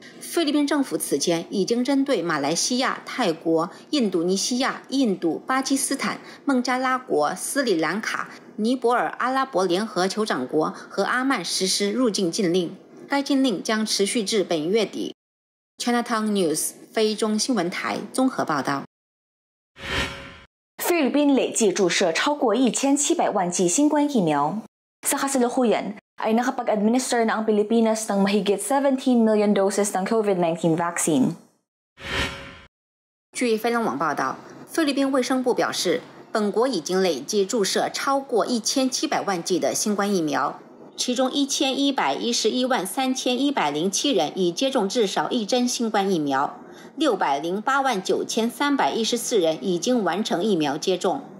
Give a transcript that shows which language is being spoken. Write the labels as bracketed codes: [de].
[zh] 菲律宾政府此前已经针对马来西亚、泰国、印度尼西亚、印度、巴基斯坦、孟加拉国、斯里兰卡、尼泊尔、阿拉伯联合酋长国和阿曼实施入境禁令，该禁令将持续至本月底。 Chinatown News 菲中新闻台综合报道。菲律宾累计注射超过1700万剂新冠疫苗。 [tl] Sa kasalukuyan ay nakapag-administer na ang Pilipinas ng mahigit 17 million doses ng COVID-19 vaccine. [zh] 据飞龙网报道，菲律宾卫生部表示，本国已经累计注射超过1700万剂的新冠疫苗，其中1111万3107人已接种至少一针新冠疫苗。 6089314人已经完成疫苗接种。